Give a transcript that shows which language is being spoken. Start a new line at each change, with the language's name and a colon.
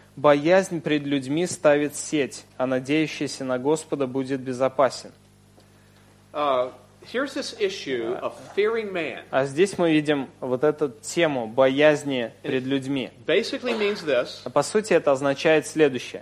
Russian: Боязнь пред людьми ставит сеть, а надеющийся на Господа будет безопасен.
English: Here's this issue of fearing man.
Russian: А здесь мы видим вот эту тему боязни перед людьми.
English: Basically means this.
Russian: По сути, это означает следующее.